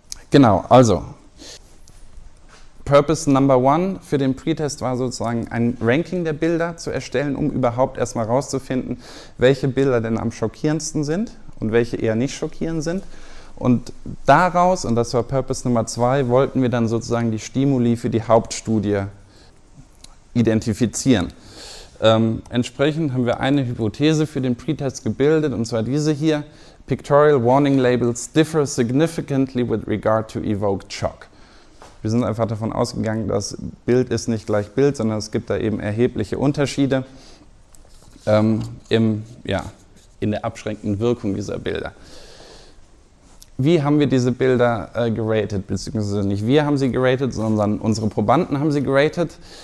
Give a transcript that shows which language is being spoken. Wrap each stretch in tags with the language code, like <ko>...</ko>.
<de>Genau, also</de> <en>Purpose Number One</en> <de>für den Pre-Test war sozusagen ein Ranking der Bilder zu erstellen, um überhaupt erstmal rauszufinden, welche Bilder denn am schockierendsten sind und welche eher nicht schockierend sind. Und daraus, und das war</de> <en>Purpose Number</en> <de>Zwei, wollten wir dann sozusagen die Stimuli für die Hauptstudie identifizieren. Entsprechend haben wir eine Hypothese für den Pre-Test gebildet, und zwar diese hier.</de> <en>Pictorial warning labels differ significantly with regard to evoked shock.</en> <de>Wir sind einfach davon ausgegangen, dass Bild ist nicht gleich Bild, sondern es gibt da eben erhebliche Unterschiede in der abschreckenden Wirkung dieser Bilder. Wie haben wir diese Bilder geratet? Beziehungsweise nicht wir haben sie geratet, sondern unsere Probanden haben sie geratet.</de>